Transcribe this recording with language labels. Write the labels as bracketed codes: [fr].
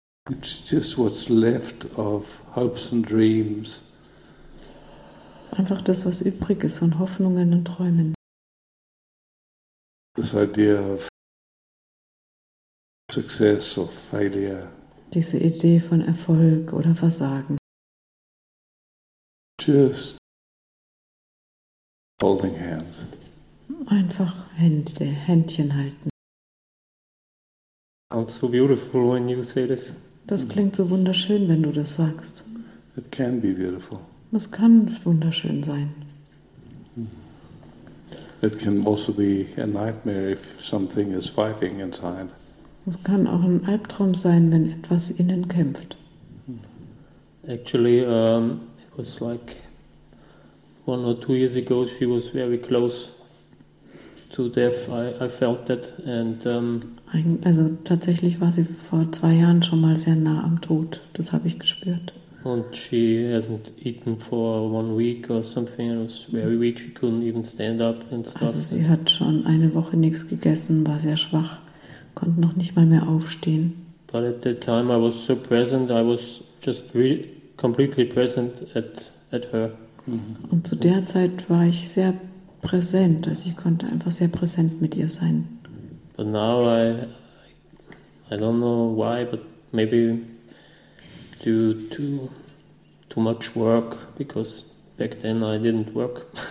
[en] It's just what's left of hopes and dreams. [de] Einfach das, was übrig ist von Hoffnungen und Träumen. [en] This idea of success or failure. [de] Diese Idee von Erfolg oder Versagen. [en] Just holding hands. [de] Einfach Händchen halten. [en] Sounds so beautiful when you say this. [de] Das klingt so wunderschön, wenn du das sagst. [en] It can be beautiful. [de] Das kann wunderschön sein. [en] It can also be a nightmare if something is fighting inside. [de] Es kann auch ein Albtraum sein, wenn etwas innen kämpft. [en] Actually, it was like 1 or 2 years ago. She was very close to death. I felt that and. [de] Also tatsächlich war sie vor 2 Jahren schon mal sehr nah am Tod. Das habe ich gespürt. [en] And she hasn't eaten for 1 week or something. It was very weak. She couldn't even stand up and stuff. [de] Also sie hat schon eine Woche nichts gegessen, war sehr schwach, konnte noch nicht mal mehr aufstehen. [en] But at that time I was so present, I was just completely present at her. [de] Und zu der Zeit war ich sehr präsent, also ich konnte einfach sehr präsent mit ihr sein. [en] But now I don't know why, but maybe due to too much work, because back then I didn't work.